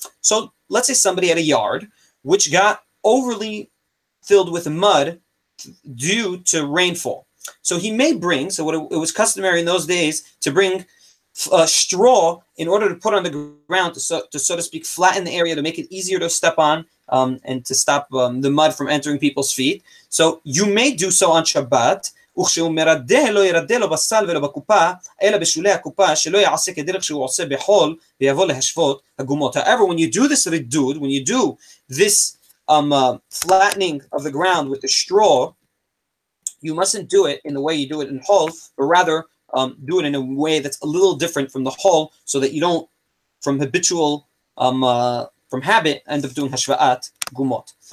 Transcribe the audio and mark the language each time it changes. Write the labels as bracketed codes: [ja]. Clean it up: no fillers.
[en] So let's say somebody had a yard which got overly filled with mud due to rainfall. So he may bring, it was customary in those days to bring a straw in order to put on the ground to so to speak flatten the area, to make it easier to step on and to stop the mud from entering people's feet. So you may do so on Shabbat. [he] וכשהוא מרדה לא ירדה לו בסל ולא בקופה, אלא בשולי הקופה, שלא יעשה כדרך שהוא עושה בחול, ויבוא להשוות הגומות. [en] However, when you do this ridud, when you do this flattening of the ground with the straw, you mustn't do it in the way you do it in hol, but rather do it in a way that's a little different from the hol, so that you don't, from habitual, from habit, end up doing השוואת גומות.